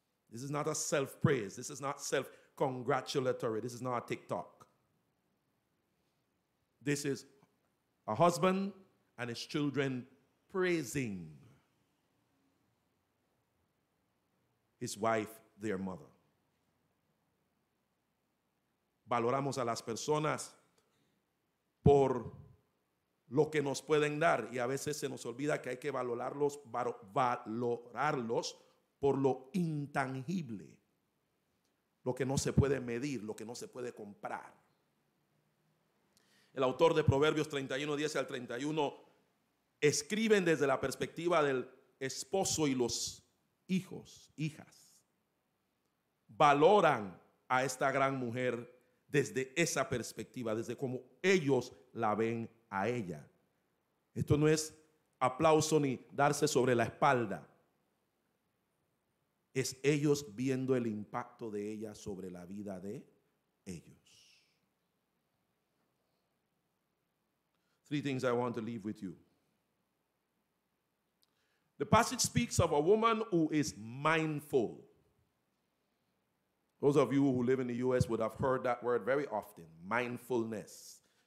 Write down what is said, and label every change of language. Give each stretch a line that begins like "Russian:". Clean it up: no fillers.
English: This is not a self-praise. This is not self-congratulatory. This is not a TikTok. This is a husband and his children praising his wife, their mother.
Spanish: Valoramos a las personas por lo que nos pueden dar. Y a veces se nos olvida que hay que valorarlos por lo intangible. Lo que no se puede medir, lo que no se puede comprar. El autor de Proverbios 31, 10 al 31, escriben desde la perspectiva del esposo y los hijos, hijas. Valoran a esta gran mujer desde esa perspectiva, desde cómo ellos la ven a ella. Esto no es aplauso ni darse sobre la espalda. Es ellos viendo el impacto de ella sobre la vida de ellos.
English: Three things I want to leave with you. The passage speaks of a woman who is mindful. Those of you who live in the U.S. would have heard that word very often, mindfulness.